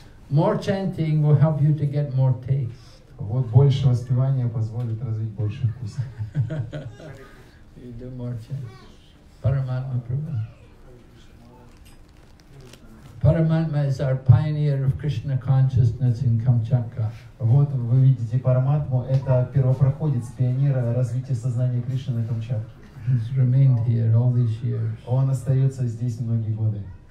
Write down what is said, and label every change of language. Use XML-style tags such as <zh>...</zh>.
<en>More chanting will help you to get more taste.</en> <ru>Вот больше воспевания позволит развить больше вкуса.</ru> <en>You do more chanting. Paramatma Prabhu. Paramatma is our pioneer of Krishna consciousness in Kamchatka.</en> <ru>Вот вы видите Параматму, это первопроходец, пионер развития сознания Кришны на Камчатке.</ru> <en>He's remained here all these years.</en> <ru>Он остается здесь многие годы.</ru>